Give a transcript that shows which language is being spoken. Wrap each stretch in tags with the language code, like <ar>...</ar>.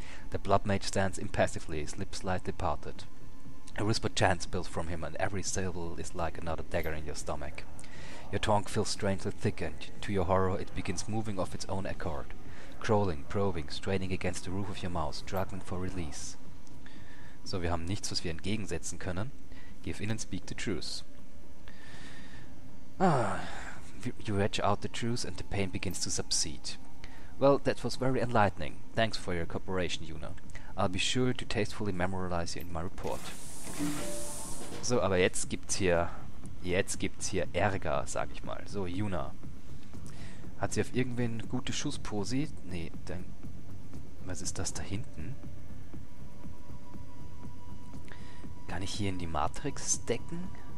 <en>The blood mage stands impassively, his lips slightly parted. A whispered chant spills from him, and every syllable is like another dagger in your stomach. Your tongue feels strangely thick, and to your horror, it begins moving of its own accord. Crawling, probing, straining against the roof of your mouth, struggling for release.</en> <de>So, wir haben nichts, was wir entgegensetzen können.</de> <en>Give in and speak the truth. Ah, you reach out the truth and the pain begins to subside. Well, that was very enlightening. Thanks for your cooperation, Yuna. I'll be sure to tastefully memorialize you in my report.</en> <de>So, aber jetzt gibt's hier Ärger, sag ich mal. So, Yuna. Hat sie auf irgendwen gute Schussposi? Nee, dann... Was ist das da hinten? Kann ich hier in die Matrix stecken?</de>